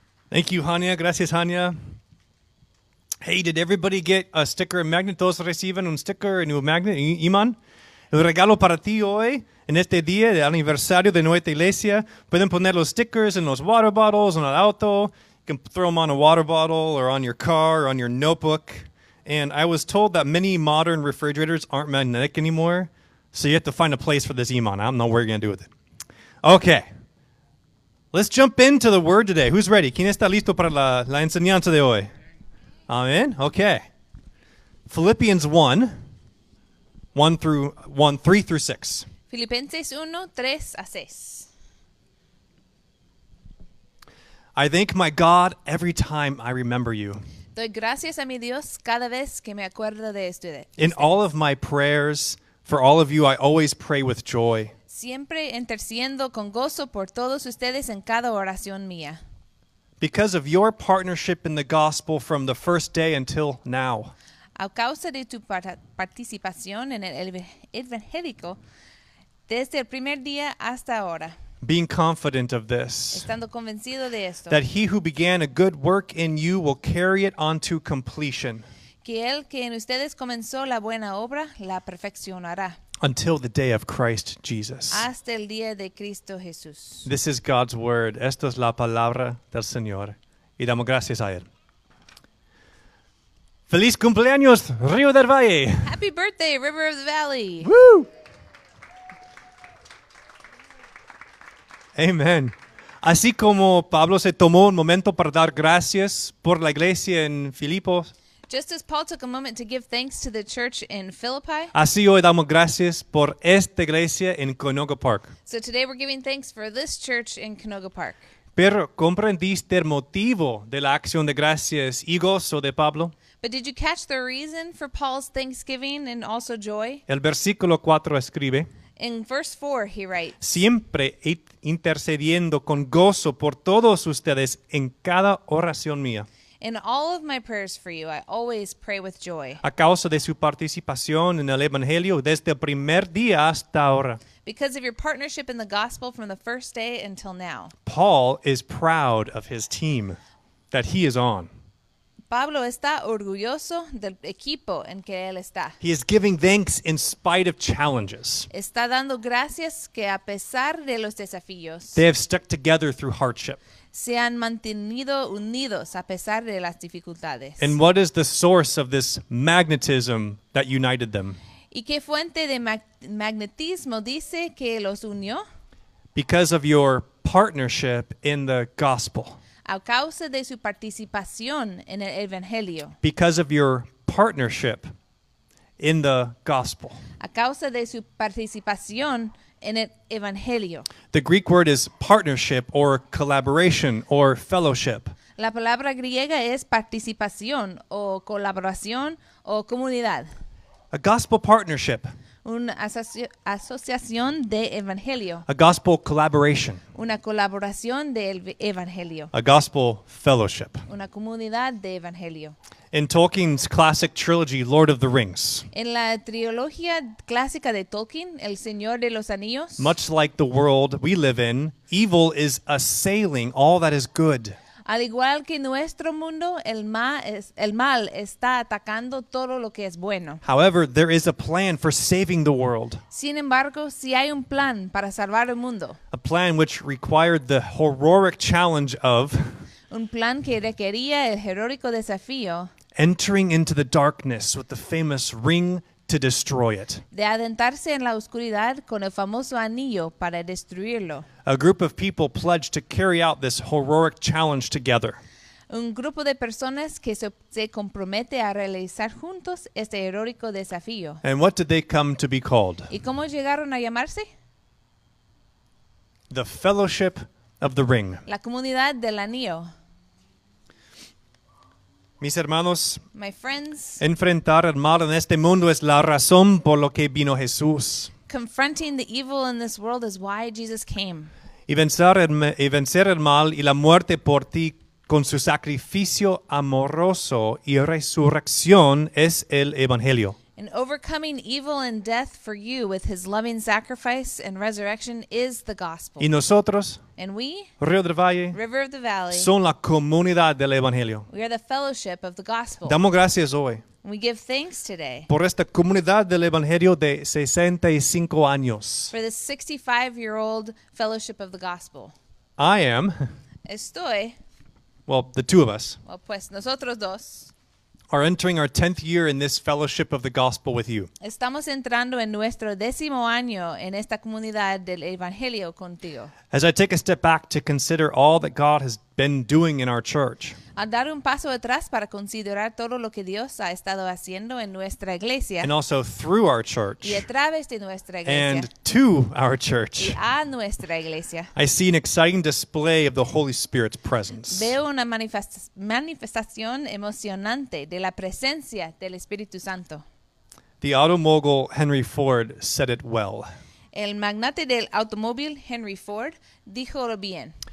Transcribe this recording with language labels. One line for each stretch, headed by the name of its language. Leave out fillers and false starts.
English: Thank you, Hania. Gracias, Hania. Hey, did everybody get a sticker and magnet?
Spanish: ¿Todos reciben un sticker
English: and a magnet?
Spanish: Iman, el regalo para ti hoy, en este día de aniversario de nuestra iglesia, pueden poner los stickers en los
English: water bottles,
Spanish: en el auto.
English: You can throw them on a water bottle or on your car or on your notebook. And I was told that many modern refrigerators aren't magnetic anymore, so you have to find a place for this Iman. I don't know what you're going to do with it. Okay. Let's jump into the Word today. Who's ready?
Spanish: ¿Quién está listo para la enseñanza de hoy?
English: Amen? Okay. Philippians 1, 1 through 1, 3 through 6.
Spanish: Filipenses 1, 3 a 6.
English: I thank my God every time I remember you.
Spanish: Doy gracias a mi Dios cada vez que me acuerdo de usted.
English: In all of my prayers for all of you, I always pray with joy.
Spanish: Siempre intercediendo con gozo por todos ustedes en cada oración mía.
English: Because of your partnership in the gospel from the first day until now.
Spanish: A causa de tu participación en el evangélico, desde el primer día hasta ahora.
English: Being confident of this.
Spanish: Estando convencido de esto.
English: That he who began a good work in you will carry it on to completion.
Spanish: Que el que en ustedes comenzó la buena obra, la perfeccionará.
English: Until the day of Christ Jesus.
Spanish: Hasta el día de Cristo Jesús.
English: This is God's word.
Spanish: Esto es la palabra del Señor. Y damos gracias a él. ¡Feliz cumpleaños, Río del Valle!
English: Happy birthday, River of the Valley! Woo! Amen.
Spanish: Así como Pablo se tomó un momento para dar gracias por la iglesia en Filipos.
English: Just as Paul took a moment to give thanks to the church in Philippi.
Spanish: Así hoy damos gracias por esta iglesia en Canoga Park.
English: So today we're giving thanks for this church in Canoga Park.
Spanish: Pero ¿comprendiste el motivo de la acción de gracias y gozo de Pablo?
English: But did you catch the reason for Paul's thanksgiving and also joy?
Spanish: El versículo 4 escribe.
English: In verse 4 he writes.
Spanish: Siempre intercediendo con gozo por todos ustedes en cada oración mía.
English: In all of my prayers for you, I always pray with joy.
Spanish: A causa de su participación en el Evangelio desde el primer día hasta ahora.
English: Because of your partnership in the gospel from the first day until now. Paul is proud of his team that he is on.
Spanish: Pablo está orgulloso del equipo en que él está.
English: He is giving thanks in spite of challenges.
Spanish: Está dando gracias que a pesar de los desafíos.
English: They have stuck together through hardship.
Spanish: Se han mantenido unidos a pesar de las dificultades.
English: And what is the source of this magnetism that united them?
Spanish: ¿Y qué fuente de magnetismo dice que los unió?
English: Because of your partnership in the gospel.
Spanish: A causa de su participación en el evangelio.
English: Because of your partnership in the gospel.
Spanish: A causa de su participación en el evangelio.
English: The Greek word is partnership or collaboration or fellowship.
Spanish: La palabra griega es participación o colaboración o comunidad.
English: A gospel partnership.
Spanish: Una asociación de evangelio.
English: A gospel collaboration.
Spanish: Una colaboración de evangelio.
English: A gospel fellowship.
Spanish: Una comunidad de evangelio.
English: In Tolkien's classic trilogy, Lord of the Rings.
Spanish: En la trilogía clásica de Tolkien, El Señor de los Anillos.
English: Much like the world we live in, evil is assailing all that is good.
Spanish: Al igual que nuestro mundo, el mal está atacando todo lo que es bueno.
English: However, there is a plan for saving the world.
Spanish: Sin embargo, sí hay un plan para salvar el mundo.
English: A plan which required the heroic challenge of
Spanish: un plan que requería el heroico desafío
English: entering into the darkness with the famous ring to destroy it.
Spanish: De adentrarse en la oscuridad con el famoso anillo para destruirlo.
English: A group of people pledged to carry out this heroic challenge together.
Spanish: Un grupo de personas que se compromete a realizar juntos este heroico desafío.
English: And what did they come to be called?
Spanish: ¿Y cómo llegaron a llamarse?
English: The Fellowship of the Ring.
Spanish: La comunidad del anillo. Mis hermanos,
English: my friends,
Spanish: enfrentar el mal en este mundo es la razón por lo que vino Jesús.
English: Confronting the evil in this world is why Jesus came.
Spanish: Y vencer el mal y la muerte por ti con su sacrificio amoroso y resurrección es el evangelio.
English: And overcoming evil and death for you with his loving sacrifice and resurrection is the gospel.
Spanish: Y nosotros,
English: and we,
Spanish: Río del Valle,
English: River of the Valley,
Spanish: son la comunidad del evangelio.
English: We are the fellowship of the gospel.
Spanish: Damos gracias hoy.
English: We give thanks today.
Spanish: Por esta comunidad del evangelio de 65 años.
English: For the 65-year-old fellowship of the gospel. I am.
Spanish: Estoy.
English: Well, the two of us.
Spanish: Well, pues nosotros dos.
English: Are entering our 10th year in this fellowship of the gospel with you.
Spanish: Estamos entrando en nuestro décimo año en esta comunidad del evangelio contigo.
English: As I take a step back to consider all that God has been doing in our church.
Spanish: Al dar un paso atrás para considerar todo lo que Dios ha estado haciendo en nuestra iglesia.
English: And also through our church.
Spanish: Y a través de nuestra iglesia.
English: And to our church.
Spanish: Y a nuestra iglesia.
English: I see an exciting display of the Holy Spirit's presence.
Spanish: Veo una manifestación emocionante de la presencia del Espíritu Santo.
English: The auto mogul Henry Ford said it well.
Spanish: El magnate del automóvil Henry Ford dijo lo bien.